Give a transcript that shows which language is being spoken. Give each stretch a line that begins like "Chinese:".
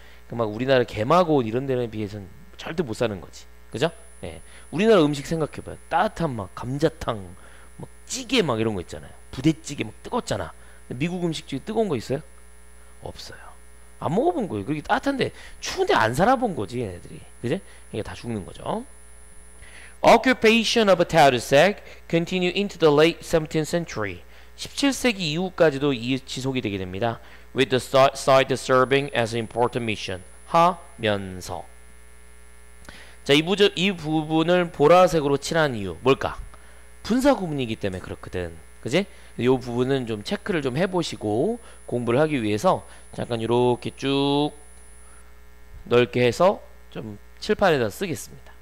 Korean: 막 우리나라 개마고원 이런 데에 비해서는 절대 못 사는 거지. 그죠? 예. 우리나라 음식 생각해봐요. 따뜻한 막 감자탕, 막 찌개 막 이런 거 있잖아요. 부대찌개 막 뜨겁잖아. 미국 음식 중에 뜨거운 거 있어요? 없어요. 안 먹어본 거예요. 그렇게 따뜻한데 추운데 안 살아본 거지 얘네들이. 그지? 이게 다 죽는 거죠.
English: Occupation of Tadoussac continued into the late 17th century.
Korean: 17세기 이후까지도 지속이 되게 됩니다.
English: With the site serving as an important mission
Korean: 하면서. 자, 이 부분을 보라색으로 칠한 이유 뭘까? 분사 구문이기 때문에 그렇거든. 그지? 이 부분은 좀 체크를 좀 해보시고 공부를 하기 위해서 잠깐 이렇게 쭉 넓게 해서 좀 칠판에다 쓰겠습니다.